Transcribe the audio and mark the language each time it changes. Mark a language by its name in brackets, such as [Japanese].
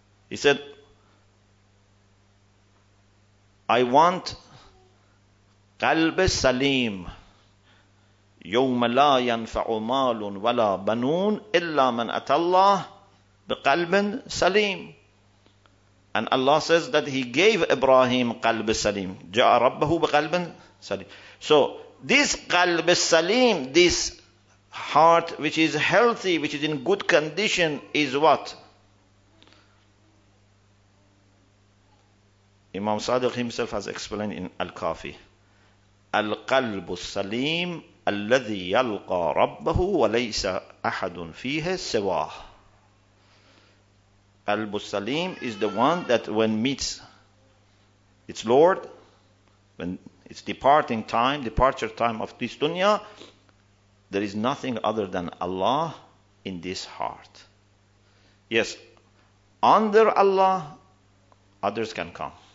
[English] He said, I want [Arabic] قلب سليم يوم لا ينفع مال ولا بنون إلا من أتى الله بقلب سليم. [English] And Allah says that he gave Ibrahim قلب سليم. [Arabic] جاء ربه بقلب سليم. [English] So this قلب سليم, this heart which is healthy, which is in good condition, is what? Imam Sadiq himself has explained in Al-Kafi. [Arabic] القلب السليم الذي يلقى ربه وليس أحد فيه سواه. [English] القلب السليم is the one that when meets its Lord, when it's departing time, departure time of this dunya, there is nothing other than Allah in this heart. Yes, under Allah, others can come.